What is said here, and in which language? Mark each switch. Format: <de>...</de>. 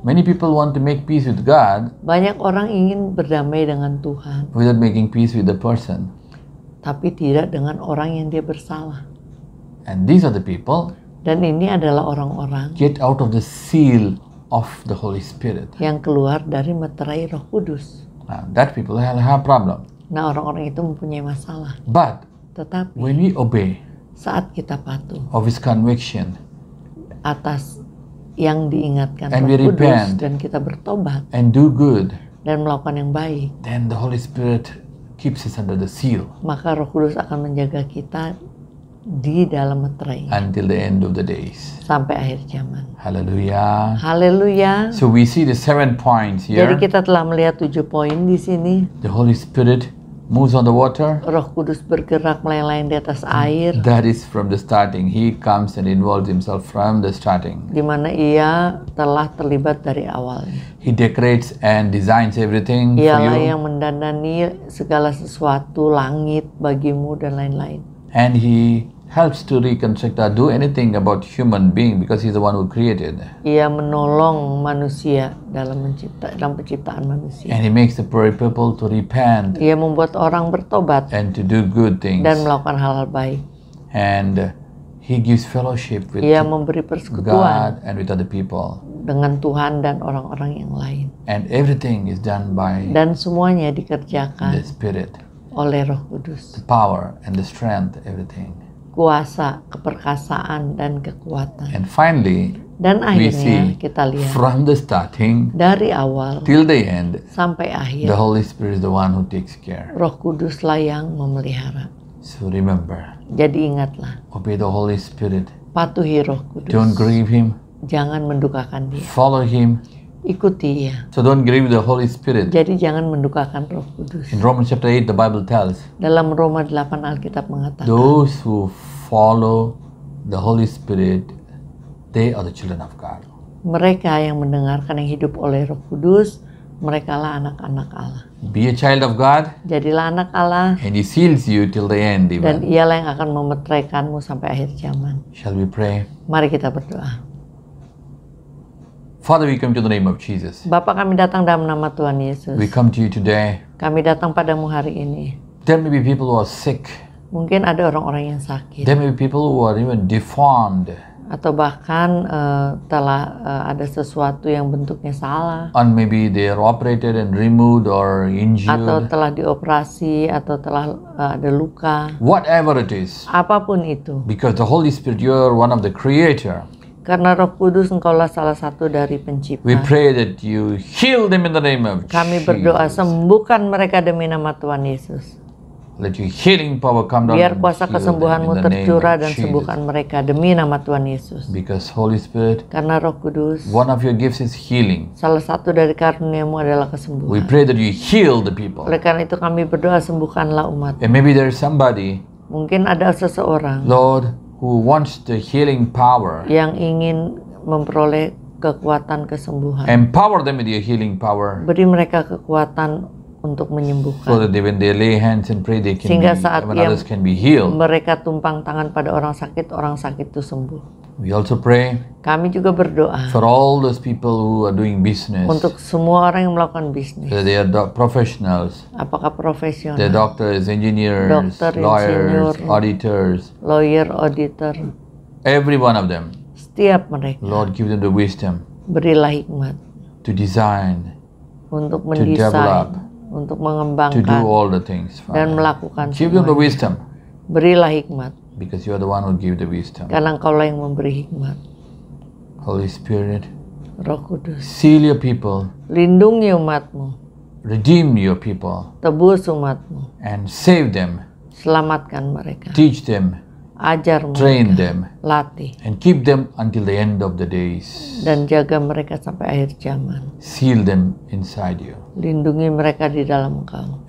<en>Many people want to make peace with God.</en> <id>Banyak orang ingin berdamai dengan Tuhan.</id> <en>Without making peace with the person.</en> <id>Tapi tidak dengan orang yang dia bersalah.</id> <en>And these are the people.</en> <id>Dan ini adalah orang-orang.</id> <en>Get out of the seal of the Holy Spirit.</en> <id>Yang keluar dari meterai Roh Kudus.</id> <en>Now, that people have problem.</en> <id>Nah, orang-orang itu mempunyai masalah.</id> <en>But</en> <id>tetapi</id> <en>when we obey,</en> <id>saat kita patuh,</id> <en>of His conviction,</en> <id>atas yang diingatkan</id> <en>and</en> <id>Roh Kudus,</id> <en>repent,</en> <id>dan kita bertobat,</id> <en>and do good,</en> <id>dan melakukan yang baik,</id> <en>then the Holy Spirit keeps us under the seal.</en> <id>Maka Roh Kudus akan menjaga kita di dalam meterai.</id> <en>Until the end of the days.</en> <id>Sampai akhir zaman. Hallelujah. Hallelujah.</id> <en>So we see the 7 points here.</en> <id>Jadi kita telah melihat 7 poin di sini.</id> <en>The Holy Spirit moves on the water.</en> <id>Roh Kudus bergerak melayang-layang di atas air.</id> <en>That is from the starting. He comes and involves himself from the starting.</en> <id>Di mana ia telah terlibat dari awal.</id> <en>He decorates and designs everything for you.</en> <id>Ialah yang mendandani segala sesuatu, langit bagimu dan lain-lain.</id> <en>And he helps to reconstruct or do anything about human being because he's the one who created.</en> <id>Ia menolong manusia dalam mencipta, dalam penciptaan manusia.</id> <en>And he makes the poor people to repent.</en> <id>Ia membuat orang bertobat.</id> <en>And to do good things.</en> <id>Dan melakukan hal-hal baik.</id> <en>And he gives fellowship with</en> <id>God. Ia memberi persekutuan.</id> <en>God and with other people.</en> <id>Dengan Tuhan dan orang-orang yang lain.</id> <en>And everything is done by.</en> <id>Dan semuanya dikerjakan.</id> <en>The Spirit.</en> <id>Oleh Roh Kudus.</id> <en>The power and the strength, everything.</en> <id>Kuasa, keperkasaan, dan kekuatan.</id> <en>And finally,</en> <id>dan akhirnya kita lihat,</id> <en>from the starting,</en> <id>dari awal,</id> <en>till the end,</en> <id>sampai akhir,</id> <en>the Holy Spirit is the one who takes care.</en> <id>Roh Kuduslah yang memelihara.</id> <en>So remember,</en> <id>jadi ingatlah,</id> <en>obey the Holy Spirit.</en> <id>Patuhi Roh Kudus.</id> <en>Don't grieve Him.</en> <id>Jangan mendukakan Dia.</id> <en>Follow Him.</en> <id>Ikuti Dia.</id> <en>So don't grieve the Holy Spirit.</en> <id>Jadi jangan mendukakan Roh Kudus.</id> <en>In Romans chapter 8 the Bible tells.</en> <id>Dalam Roma 8 Alkitab mengatakan.</id> <en>Those who follow the Holy Spirit, they are the children of God.</en> <id>Mereka yang mendengarkan yang hidup oleh Roh Kudus, merekalah anak-anak Allah.</id> <en>Be a child of God.</en> <id>Jadilah anak Allah.</id> <en>And He seals you till the end. Amen.</en> <id>Dan Ialah yang akan memeteraikanmu sampai akhir zaman.</id> <en>Shall we pray?</en> <id>Mari kita berdoa.</id> <en>Father, we come to the name of Jesus.</en> <id>Bapa kami datang dalam nama Tuhan Yesus.</id> <en>We come to you today.</en> <id>Kami datang padamu hari ini.</id> <en>There may be people who are sick.</en> <id>Mungkin ada orang-orang yang sakit.</id> <en>There may be people who are even deformed.</en> <id>Atau bahkan telah ada sesuatu yang bentuknya salah.</id> <en>And maybe they are operated and removed or injured.</en> <id>Atau telah dioperasi atau telah ada luka.</id> <en>Whatever it is.</en> <id>Apapun itu.</id> <en>Because the Holy Spirit, you are one of the Creator.</en> <id>Karena Roh Kudus Engkaulah salah satu dari Pencipta.</id> <en>We pray that you heal them in the name of Jesus.</en> <id>Kami berdoa sembuhkan mereka demi nama Tuhan Yesus.</id> <en>Let your healing power come down.</en> <id>Biar kuasa kesembuhanmu tercurah dan sembuhkan mereka demi nama Tuhan Yesus.</id> <en>Because Holy Spirit.</en> <id>Karena Roh Kudus.</id> <en>One of your gifts is healing.</en> <id>Salah satu dari karuniamu adalah kesembuhan.</id> <en>We pray that you heal the people.</en> <id>Oleh karena itu kami berdoa sembuhkanlah umat.</id> <en>And maybe there is somebody.</en> <id>Mungkin ada seseorang.</id> <en>Lord. Who wants the healing power?</en> <id>Yang ingin memperoleh kekuatan kesembuhan.</id> <en>Empower them with your healing power.</en> <id>Beri mereka kekuatan untuk menyembuhkan.</id> <en>So that when they lay hands and pray, they can.</en> <id>Sehingga saat</id> <en>when others can be healed.</en> <id>Mereka tumpang tangan pada orang sakit itu sembuh.</id> <en>We also pray.</en> <id>Kami juga berdoa.</id> <en>For all those people who are doing business.</en> <id>Untuk semua orang yang melakukan bisnis.</id> <en>So they are professionals.</en> <id>Apakah profesional?</id> <en>They are doctors, engineers,</en> <id>dokter,</id> <en>lawyers, engineer, auditors. Lawyer, auditor. Every one of them.</en> <id>Setiap mereka.</id> <en>Lord, give them the wisdom.</en> <id>Berilah hikmat.</id> <en>To design.</en> <id>Untuk mendesain.</id> <en>To develop.</en> <id>Untuk mengembangkan.</id> <en>To do all the things.</en> <id>Father. Dan melakukan.</id> <en>Give</en> <id>semuanya.</id> <en>Them the wisdom.</en> <id>Berilah hikmat.</id> <en>Because you are the one who give the wisdom.</en> <id>Karena Engkaulah yang memberi hikmat.</id> <en>Holy Spirit.</en> <id>Roh Kudus.</id> <en>Seal your people.</en> <id>Lindungi umatmu.</id> <en>Redeem your people.</en> <id>Tebus umatmu.</id> <en>And save them.</en> <id>Selamatkan mereka.</id> <en>Teach them.</en> <id>Ajar mereka.</id> <en>Train them.</en> <id>Latih.</id> <en>And keep them until the end of the days.</en> <id>Dan jaga mereka sampai akhir zaman.</id> <en>Seal them inside you.</en> <id>Lindungi mereka di dalam Engkau.</id>